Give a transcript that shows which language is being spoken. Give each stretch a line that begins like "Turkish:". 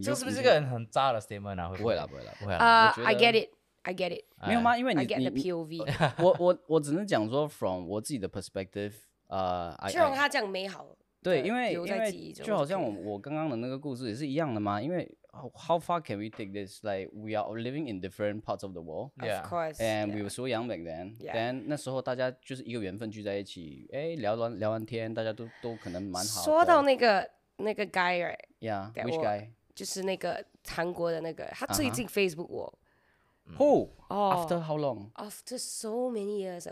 Chinese: 这是不是一个很渣的 statement 啊？不会啦，不会啦，不会啦。
English: I get it. I get it.
Chinese: 没有吗？因为你
English: I get the POV.
Chinese: 我只能讲说 from 我自己的 perspective. 就让他这样美好。对，因为就好像我刚刚的那个故事也是一样的嘛。因为
English: how far can we take this? Like we are living in different parts of the world. Yeah. Of course. And we were so young back then. Yeah.
Chinese: Then 那时候大家就是一个缘分聚在一起，哎，聊完天，大家都可能蛮好。说到那个 guy, right?
English: Yeah. Which guy?
Chinese: 就是那个韩国的那个，他最近 Facebook 我。
English: Who? After how long? After so many years.